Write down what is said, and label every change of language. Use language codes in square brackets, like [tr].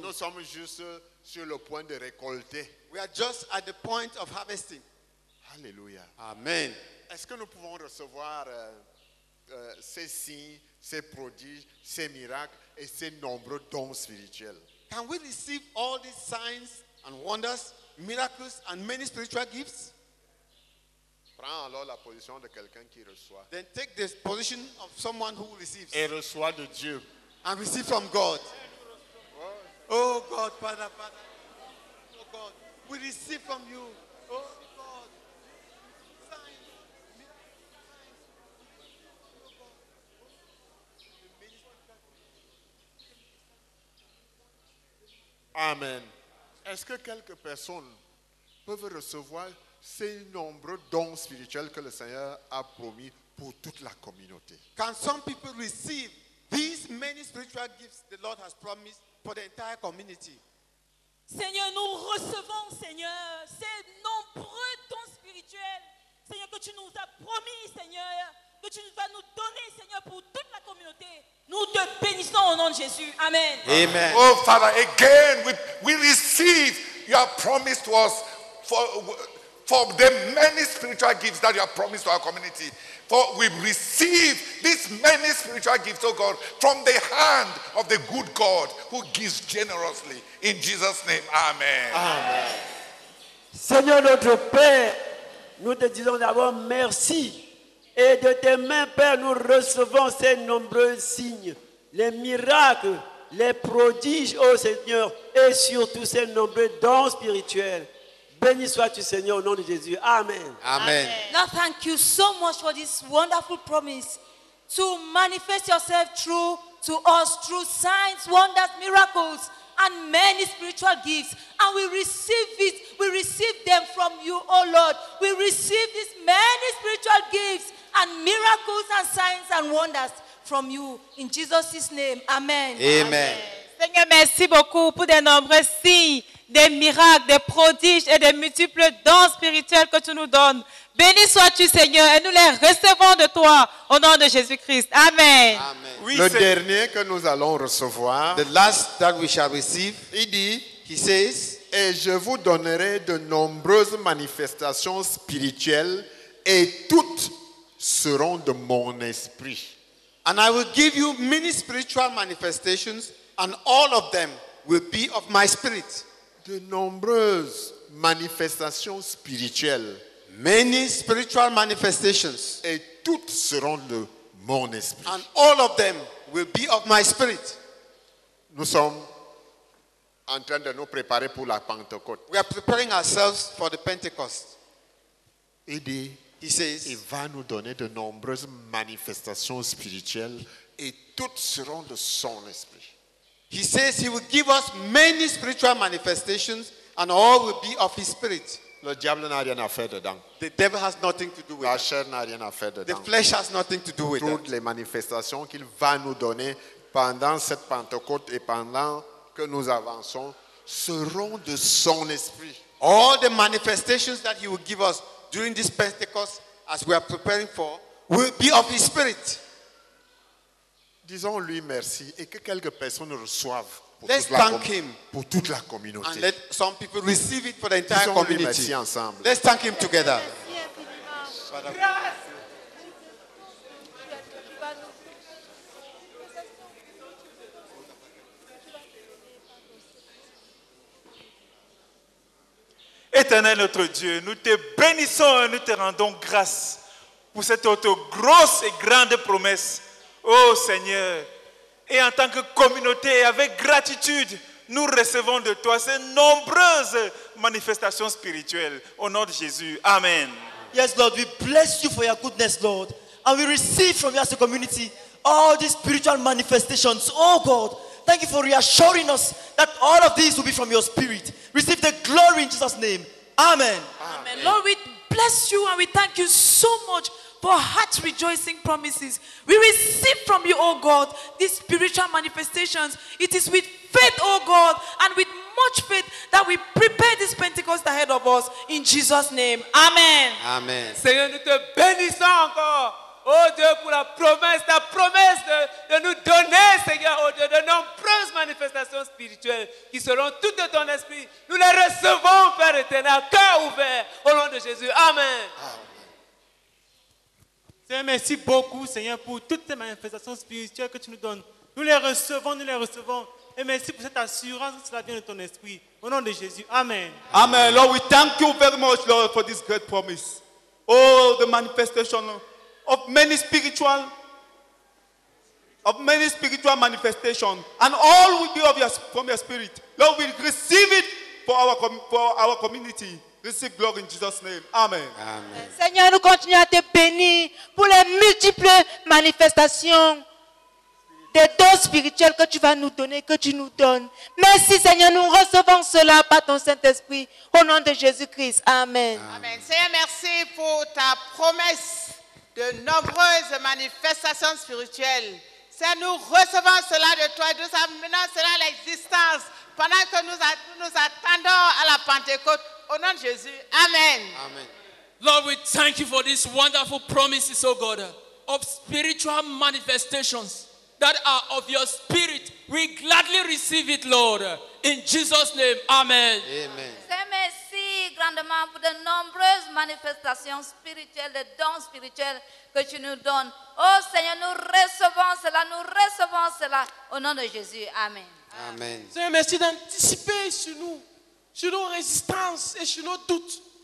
[fr] Nous sommes juste sur le point de récolter. [en] We are just at the point of harvesting. [fr] Alléluia. Amen. Est-ce que nous pouvons recevoir ces signes, ces prodiges, ces miracles et ces nombreux dons spirituels? [en] Can we receive all these signs and wonders, miracles and many spiritual gifts? [fr] Prends alors la position de quelqu'un qui reçoit. [en] Then take the position of someone who receives. [fr] Et reçoit de Dieu. [en] And receive from God. Oh God, Father, Father. Oh God, we receive from you. Oh God. Signs, miracles, signs. Amen. [fr] Est-ce que quelques personnes peuvent recevoir ces nombreux dons spirituels que le Seigneur a promis pour toute la communauté? [en] Can some people receive these many spiritual gifts the Lord has promised for the entire community? [fr] Seigneur, nous recevons, Seigneur, ces nombreux dons spirituels, Seigneur, que tu nous as promis, Seigneur, que tu vas nous donner, Seigneur, pour toute la communauté. Nous te bénissons au nom de Jésus. Amen. Amen. [en] Oh, Father, again, we receive your promise to us for the many spiritual gifts that you have promised to our community. For we receive these many spiritual gifts, oh God, from the hand of the good God who gives generously. In Jesus' name, amen. Amen. [fr] Seigneur notre Père, nous te disons d'abord merci. Et de tes mains, Père, nous recevons ces nombreux signes, les miracles, les prodiges, ô Seigneur, et surtout ces nombreux dons spirituels. Béni sois-tu, Seigneur, au nom de Jésus. Amen. Amen. [en] Lord, thank you so much for this wonderful promise to manifest yourself through to us through signs, wonders, miracles, and many spiritual gifts. And we receive it. We receive them from you, O Lord. We receive these many spiritual gifts and miracles and signs and wonders from you. In Jesus' name. Amen. Amen. [fr] Seigneur, merci beaucoup pour de nombreux signes, des miracles, des prodiges et des multiples dons spirituels que tu nous donnes. Béni sois-tu, Seigneur, et nous les recevons de toi au nom de Jésus-Christ. Amen. Amen. Oui, le dernier que nous allons recevoir, [en] the last that we shall receive, [fr] il dit, [en] he says, [fr] et je vous donnerai de nombreuses manifestations spirituelles et toutes seront de mon esprit. [en] And I will give you many spiritual manifestations and all of them will be of my spirit. [fr] De nombreuses manifestations spirituelles. [en] Many spiritual manifestations. [fr] Et toutes seront de mon esprit. [en] And all of them will be of my spirit. [fr] Nous sommes en train de nous préparer pour la Pentecôte. [en] We are preparing ourselves for the Pentecost. [fr] Il dit, [en] he says, [fr] il va nous donner de nombreuses manifestations spirituelles et toutes seront de son esprit. [en] He says he will give us many spiritual manifestations and all will be of his spirit. [fr] Le diable n'a rien à faire dedans. [en] The devil has nothing to do with [fr] it. La chair n'a rien à faire dedans. [en] The flesh has nothing to do with it. [fr] Toutes les manifestations qu'il va nous donner pendant cette Pentecôte et pendant que nous avançons seront de son esprit. [en] All the manifestations that he will give us during this Pentecost as we are preparing for will be of his spirit. [fr] Disons-lui merci et que quelques personnes reçoivent pour, [en] let's [fr] toute, la [en] thank him [fr] pour toute la communauté. [en] And let some people receive it for the entire [fr] Disons [en] community. [fr] Disons-lui merci ensemble. [en] Let's thank him together. [fr] Merci infiniment. Éternel notre Dieu, nous te bénissons et nous te rendons grâce pour cette autre grosse et grande promesse. Oh Seigneur, et en tant que communauté, avec gratitude, nous recevons de toi ces nombreuses manifestations spirituelles. Au nom de Jésus, amen. [en] Yes, Lord, we bless you for your goodness, Lord. And we receive from you as a community all these spiritual manifestations. Oh God, thank you for reassuring us that all of these will be from your spirit. Receive the glory in Jesus' name. Amen. Amen. Amen. Lord, we bless you and we thank you so much for heart rejoicing promises. We receive from you, oh God, these spiritual manifestations. It is with faith, oh God, and with much faith that we prepare this Pentecost ahead of us. In Jesus' name, amen. Amen. [fr] Seigneur, nous te bénissons encore Oh Dieu, pour ta promesse de nous donner, Seigneur, oh Dieu, de nombreuses manifestations spirituelles qui seront toutes de ton esprit. Nous les recevons, Père éternel, cœur ouvert, au nom de Jésus. Amen. Amen. Seigneur, merci beaucoup, Seigneur, pour toutes ces manifestations spirituelles que tu nous donnes. Nous les recevons. Et merci pour cette assurance que cela vient de ton esprit. Au nom de Jésus. Amen. Amen. [en] Lord, we thank you very much, Lord, for this great promise. All the manifestation of many spiritual manifestations, and all will be of your, from your spirit. Lord, we receive it for our community. Receive glory in Jesus' name. Amen. Amen. [fr] Seigneur, nous continuons à te bénir pour les multiples manifestations des dons spirituels que tu vas nous donner, que tu nous donnes. Merci Seigneur, nous recevons cela par ton Saint-Esprit, au nom de Jésus-Christ. Amen. Amen. Seigneur, merci pour ta promesse de nombreuses manifestations spirituelles. Seigneur, nous recevons cela de toi et nous amenons cela à l'existence pendant que nous attendons à la Pentecôte, au nom de Jésus. Amen. Amen. [en] Lord, we thank you for these wonderful promises, oh God, of spiritual manifestations that are of your spirit. We gladly receive it, Lord. In Jesus' name, amen. Amen. [fr] Merci grandement pour de nombreuses manifestations spirituelles, de dons spirituels que tu nous donnes. Oh Seigneur, nous recevons cela au nom de Jésus. Amen. Amen. Seigneur, merci d'anticiper sur nos résistances et sur nos doutes.